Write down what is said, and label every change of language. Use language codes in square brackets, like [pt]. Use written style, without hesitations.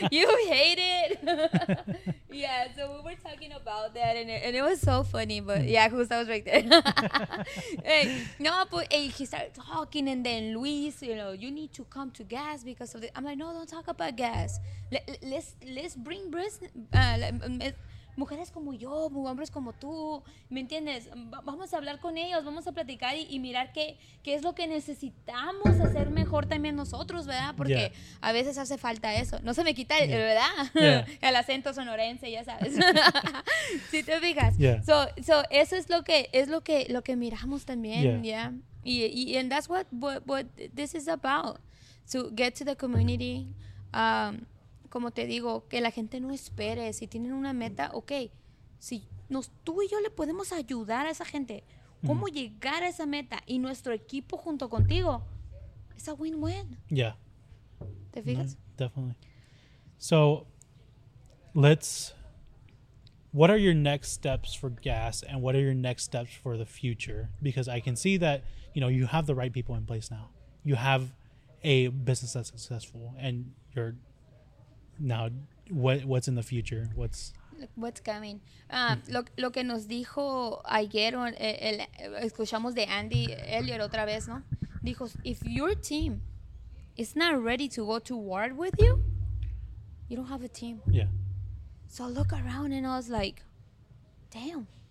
[en] You hate it. Yeah, so we were talking about that, and it was so funny, but yeah, Gustavo's right there. Hey, no, but hey, he started talking, and then Luis, you know, you need to come to Gas because of the, I'm like, no, don't talk about Gas. Let's bring business. [es] Mujeres como yo, hombres como tú, ¿me entiendes? Vamos a hablar con ellos, vamos a platicar y mirar qué es lo que necesitamos hacer mejor también nosotros, ¿verdad? Porque yeah, a veces hace falta eso. No se me quita, yeah, ¿verdad? [en] Yeah. [es] El acento sonorense, ya sabes. Si te fijas. [en] Yeah. [es] So eso es lo que miramos también, ¿ya? [en] Yeah. Yeah. And that's what this is about, to get to the community. [es] Como te digo, que la gente no espere. Si tienen una meta, ok. Si tú y yo le podemos ayudar a esa gente, ¿cómo mm-hmm. llegar a esa meta? Y nuestro equipo junto contigo. Es a win-win. Yeah. ¿Te fijas? [en] No, definitely. So, what are your next steps for Gas, and what are your next steps for the future? Because I can see that, you know, you have the right people in place now. You have a business that's successful, and you're... Now, what's in the future? What's What's coming? [es] Lo que nos dijo ayer, escuchamos de Andy Elliott otra vez, ¿no? [en] Dijo, if your team is not ready to go to war with you, you don't have a team. Yeah. So I look around and I was like, damn.